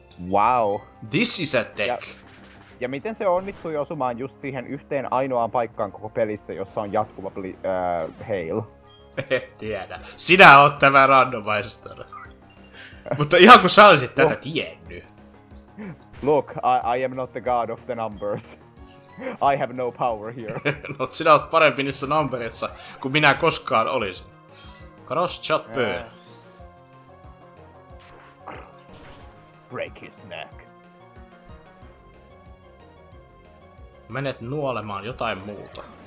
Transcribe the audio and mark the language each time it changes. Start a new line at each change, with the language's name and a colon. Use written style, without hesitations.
English: Wow. This is a tech.
Finnish: Ja miten se onnistui osumaan just siihen yhteen ainoaan paikkaan koko pelissä, jossa on jatkuva hail? Et tiedä. Sinä oot tämä randomizer. Mutta ihan kun sä olisit tätä tiennyt.
English: Look, I am not the god of the numbers. I have no power here.
Finnish: No, sinä oot parempi niissä numberissa, kuin minä koskaan olisin.
English: Cross chopper. Break his neck.
Finnish: Menet nuolemaan jotain muuta.